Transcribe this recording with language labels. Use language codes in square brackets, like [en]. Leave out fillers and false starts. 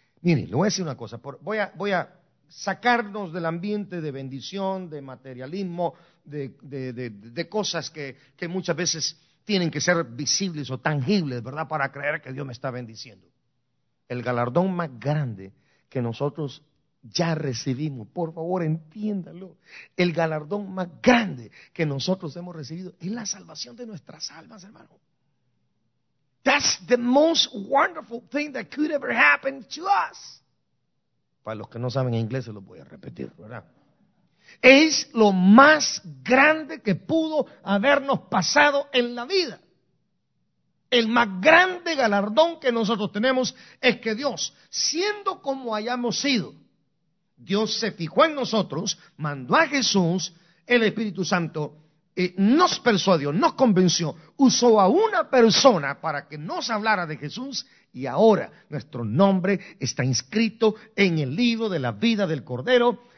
[es] Mire, le voy a decir una cosa, voy a sacarnos del ambiente de bendición, de materialismo, de cosas que muchas veces tienen que ser visibles o tangibles, ¿verdad?, para creer que Dios me está bendiciendo. El galardón más grande que nosotros ya recibimos, por favor, entiéndalo. El galardón más grande que nosotros hemos recibido es la salvación de nuestras almas, hermano. [en] That's the most wonderful thing that could ever happen to us. [es] Para los que no saben inglés, se lo voy a repetir, ¿verdad? Es lo más grande que pudo habernos pasado en la vida. El más grande galardón que nosotros tenemos es que Dios, siendo como hayamos sido, Dios se fijó en nosotros, mandó a Jesús, el Espíritu Santo nos persuadió, nos convenció, usó a una persona para que nos hablara de Jesús y ahora nuestro nombre está inscrito en el libro de la vida del Cordero.